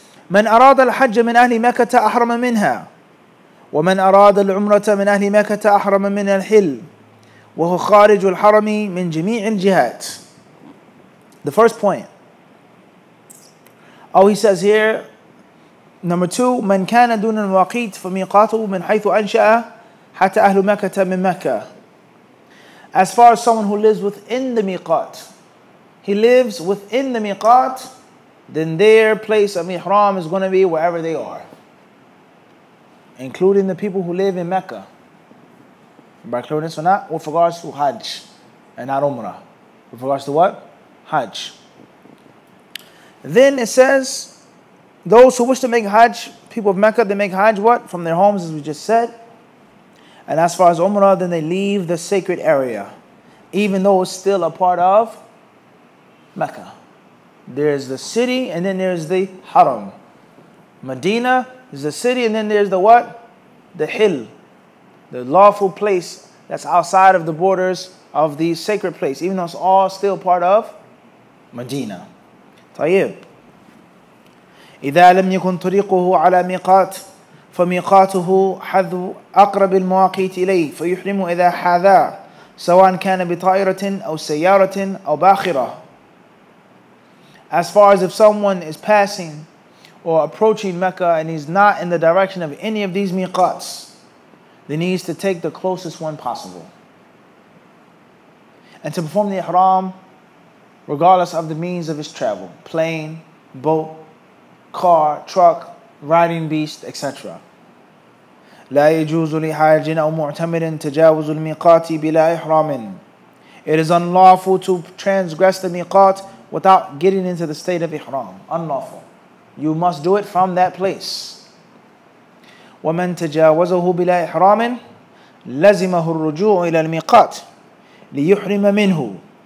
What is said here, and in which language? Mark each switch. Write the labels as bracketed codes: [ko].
[ar] من أراد الحج من أهل مكة أحرم منها ومن أراد العمرة من أهل مكة أحرم من الحل وهو خارج الحرم من جميع الجهات. [en] The first point. Oh, he says here, number two, [ar] من كان دون الواقيت فميقاته من حيث أنشأ حتى أهل مكة من مكة. [en] As far as someone who lives within the miqat, he lives within the miqat, then their place of ihram is going to be wherever they are, including the people who live in Mecca. By clearing this or not, with regards to Hajj and not Umrah. with regards to what? Hajj. Then it says, those who wish to make Hajj, people of Mecca, they make Hajj what? From their homes, as we just said. And as far as Umrah, then they leave the sacred area, even though it's still a part of Mecca. There's the city, and then there's the Haram. Medina is the city, and then there's the what? The Hill, the lawful place that's outside of the borders of the sacred place, even though it's all still part of Medina. [ar] طيب. إذا لم يكن طريقه على ميقات فميقاته حذو أقرب المواقيت إليه فيحرم إذا حذا سواء كان بطائرة أو سيارة أو باخرة. [en] As far as if someone is passing or approaching Mecca and he's not in the direction of any of these miqats, then he needs to take the closest one possible. And to perform the ihram, regardless of the means of his travel, plane, boat, car, truck, riding beast, etc. [ar] لا يجوز لحاج أو معتمر تجاوز الميقات بلا إحرام. [en] It is unlawful to transgress the miqat without getting into the state of ihram. Unlawful. You must do it from that place. [ar] وَمَنْ تَجَاوَزَهُ بِلَا إِحْرَامٍ لَزِمَهُ الرُّجُوعُ إِلَى الْمِقَاتِ لِيُحْرِمَ مِنْهُ.